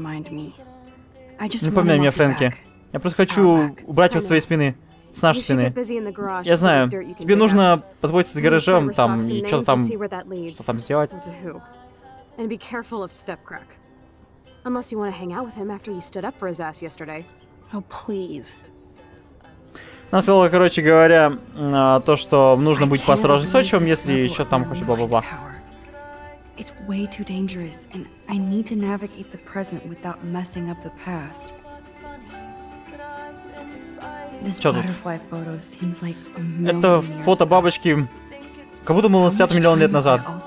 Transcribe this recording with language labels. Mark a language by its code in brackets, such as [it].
[ru] Не поминай меня, Фрэнки. Я просто хочу убрать его с твоей спины. С нашей спины. Я знаю, тебе нужно позаботиться с гаражом, там, и что-то там, что там сделать. [en] Unless you want to hang out with him after you stood up for his ass yesterday. Oh, please. [ru] На слово, короче говоря, то, что нужно быть поосторожнее с Отчимом, если еще там хочешь бла-бла-бла. [en] It's way too dangerous, and I need to navigate the present without messing up the past. This butterfly photo seems like a million years ago. [ru] Это фото бабочки, как будто было 50 миллион лет назад.